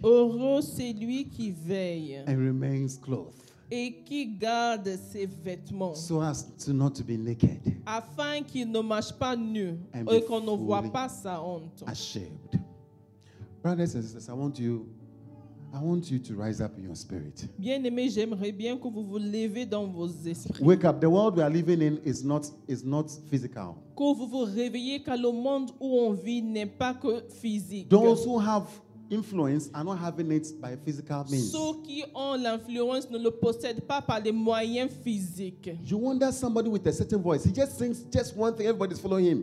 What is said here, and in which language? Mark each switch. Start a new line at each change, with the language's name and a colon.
French: Heureux celui qui veille.
English: And remains clothed.
French: Et qui garde ses vêtements.
English: So as to not to be naked.
French: Afin qu'il ne marche pas nu et qu'on ne voit pas sa honte.
English: Ashamed. Brothers and sisters, I want you to rise up in your spirit.
French: Bien-aimés, j'aimerais bien que vous vous levez dans vos esprits.
English: Wake up. The world we are living in is not physical.
French: Que vous vous réveillez car le monde où on vit n'est pas que physique.
English: Those who have influence are not having it by physical means.
French: Ceux qui ont l'influence ne le possèdent pas par des moyens physiques.
English: You wonder somebody with a certain voice. He just sings just one thing, everybody's following him.